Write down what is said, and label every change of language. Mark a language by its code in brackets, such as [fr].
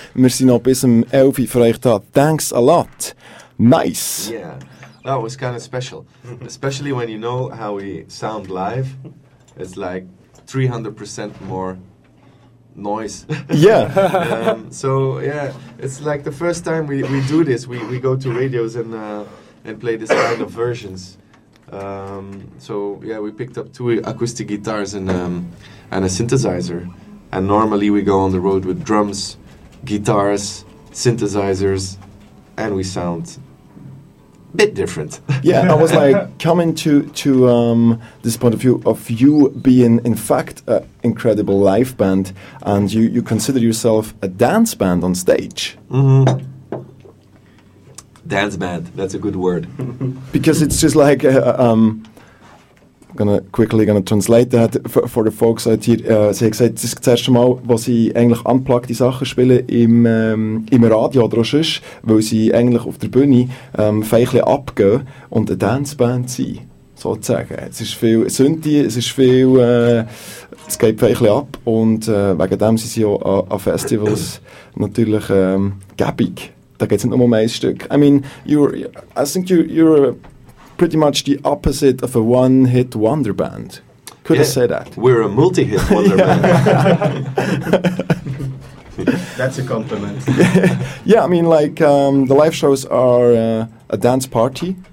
[de] Wir sind noch bis 11 Uhr für euch da. [en] Thanks a lot. Nice. Yeah, that was kind of special. Especially when you know how we sound live. It's like 300% more noise. Yeah. So, yeah, it's like the first time we do this. We go to radios and play this kind of versions. So yeah, we picked up two acoustic guitars and a synthesizer, and normally we go on the road with drums, guitars, synthesizers, and we sound a bit different. Yeah, I was like coming to this point of view of you being in fact an incredible live band, and you consider yourself a dance band on stage. Mm-hmm. Dance band, that's a good word. Because it's just like, gonna translate that for the folks out here. [de] Sie hat gesagt, das ist das erste Mal, wo sie eigentlich unplugged die Sachen spielen im Radio oder sonst, weil sie eigentlich auf der Bühne feichle abgehen und eine Dance band sind, sozusagen. Es ist viel Synthi, es ist viel, es geht feichle ab und wegen dem sind sie auch an Festivals natürlich gebig. Da geht's nicht um ein Stück. [en] I mean, I think you're pretty much the opposite of a one-hit wonder band. Could yeah, I say that? We're a multi-hit wonder band. That's a compliment. Yeah, I mean, like, the live shows are a dance party.